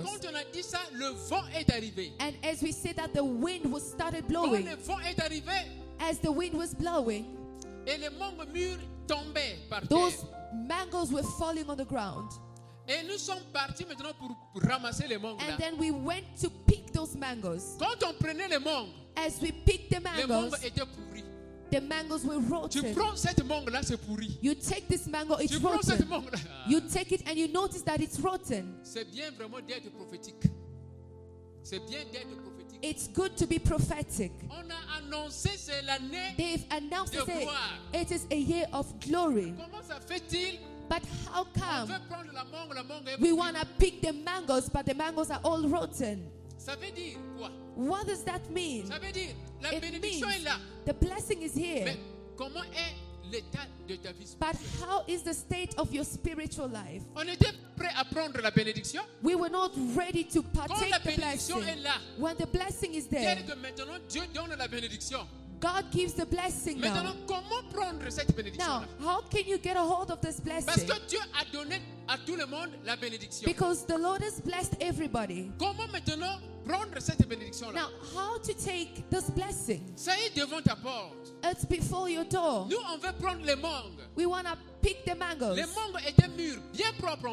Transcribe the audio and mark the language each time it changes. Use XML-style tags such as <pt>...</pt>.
<fr>Et quand on a dit ça, le vent est arrivé.</fr> <en>And as we said that the wind was started blowing.</en> <fr>Quand le vent est arrivé,</fr> <en>as the wind was blowing.</en> <fr>Et les mangos mûrs tombaient par terre.</fr> <en>Those mangoes were falling on the ground.</en> <fr>Et nous sommes partis maintenant pour ramasser les mangos.</fr> <en>And then we went to pick those mangoes.</en> <fr>Quand on prenait les mangos,</fr> <en>as we picked the mangoes,</en> <fr>les mangos étaient pourris.</fr> <en>The mangoes were rotten.</en> <fr>Tu prends cette mangue là, c'est pourri.</fr> <en>You take this mango, it's</en> <fr>tu prends</fr> <en>rotten.</en> <fr>Cette mangue là.</fr> <en>You take it and you notice that it's rotten.</en> <fr>C'est bien vraiment d'être prophétique. C'est bien d'être prophétique.</fr> <en>It's good to be prophetic.</en> <fr>On a annoncé c'est l'année</fr> <en>they've announced</en> <fr>de gloire.</fr> <en>It is a year of glory.</en> <fr>Comment ça fait-il</fr> <en>But how come we want to pick the mangoes, but the mangoes are all rotten?</en> <fr>Ça veut dire quoi?</fr> <en>What does that mean?</en> <fr>Ça veut dire, la</fr> <en>it</en> <fr>bénédiction</fr> <en>means</en> <fr>est là.</fr> <en>The blessing is here.</en> <fr>Mais comment est l'état de ta vie?</fr> <en>But how is the state of your spiritual life?</en> <fr>On était prêt à prendre la bénédiction?</fr> <en>We were not ready to partake</en> <fr>quand la bénédiction</fr> <en>the blessing.</en> <fr>Est là,</fr> <en>when the blessing is there,</en> <fr>que maintenant Dieu donne la bénédiction.</fr> <en>God gives the blessing</en> <fr>maintenant,</fr> <en>now.</en> <fr>Comment prendre cette bénédiction</fr> <en>now,</en> <fr>là?</fr> <en>How can you get a hold of this blessing?</en> <fr>Parce que Dieu a donné à tout le monde la bénédiction.</fr> <en>Because the Lord has blessed everybody.</en> <fr>Comment maintenant prendre cette bénédiction là?</fr> <en>Now, how to take this blessing?</en> <fr>C'est devant ta porte.</fr> <en>It's before your door.</en> <fr>Nous, on veut prendre les mangues.</fr> <en>We want to pick the mangoes.</en> <fr>Les mangues étaient mûres, bien propres.</fr>